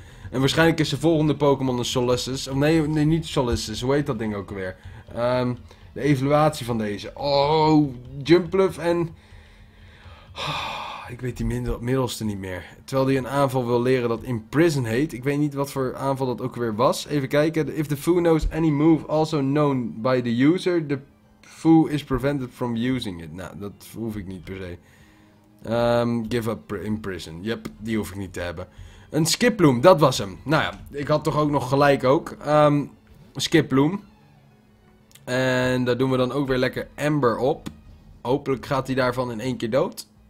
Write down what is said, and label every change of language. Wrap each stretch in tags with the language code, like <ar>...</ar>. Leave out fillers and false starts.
<nl>En waarschijnlijk is de volgende Pokémon een Solistus. Of nee, nee, niet Solistus. Hoe heet dat ding ook alweer? De evaluatie van deze. Oh, Jumpluff en... Ik weet die middelste niet meer. Terwijl die een aanval wil leren dat Imprison heet. Ik weet niet wat voor aanval dat ook weer was. Even kijken.</nl> <en>If the foe knows any move also known by the user, the foe is prevented from using it.</en> <nl>Nou, dat hoef ik niet per se.</nl> <en>Give up Imprison.</en> <nl>Yep, die hoef ik niet te hebben. Een Skiploom, dat was hem. Nou ja, ik had toch ook nog gelijk ook. Skiploom. En daar doen we dan ook weer lekker Ember op. Hopelijk gaat hij daarvan in één keer dood.</nl>